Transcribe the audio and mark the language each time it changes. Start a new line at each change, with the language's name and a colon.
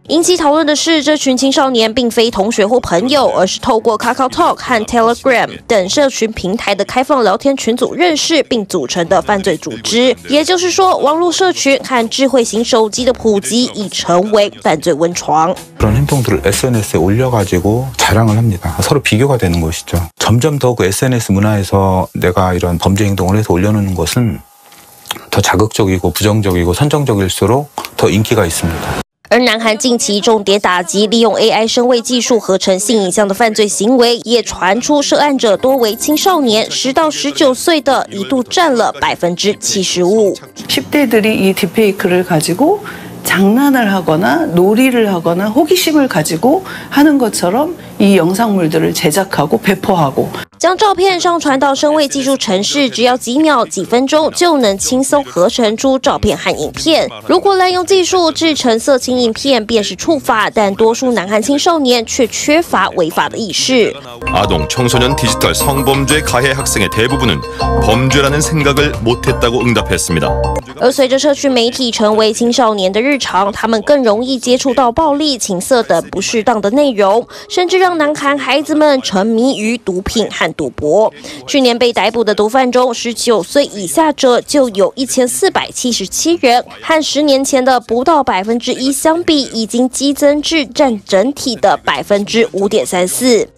Chinese: 引起讨论的是，这群青少年并非同学或朋友，而是透过 KakaoTalk 和 Telegram 等社群平台的开放聊天群组认识并组成的犯罪组织。也就是说，网络社群和智慧型手机的普及已成为犯罪温床。
Korean: 그런행동들을 SNS 에올려가지고자랑을합니다서로비교가되는것이죠점점더그 SNS 문화에서내가이런범죄행동을해서올려놓는것은더자극적이고부정적이고선정적일수록더인기가있습니다
Chinese: 而南韩近期重点打击利用 AI 声位技术合成性影像的犯罪行为，也传出涉案者多为青少年，10到19岁的一度占了75%。
Korean: 십대들이이 deepfake 를가지고장난을하거나놀이를하거나호기심을가지고하는것처럼이영상물들을제작하고배포하고
Chinese: 将照片上传到声位技术程式，只要几秒、几分钟就能轻松合成出照片和影片。如果滥用技术制成色情影片，便是触法。但多数南韩青少年却缺乏违法的意识。
Korean: 아동청소년디지털성범죄가해학생의대부분은범죄라는생각을못했다고응답했습니다
Chinese: 而随着社区媒体成为青少年的日常，他们更容易接触到暴力、情色等不适当的内容，甚至让南韩孩子们沉迷于毒品和赌博。去年被逮捕的毒贩中，19岁以下者就有1477人，和10年前的不到1%相比，已经激增至占整体的5.34%。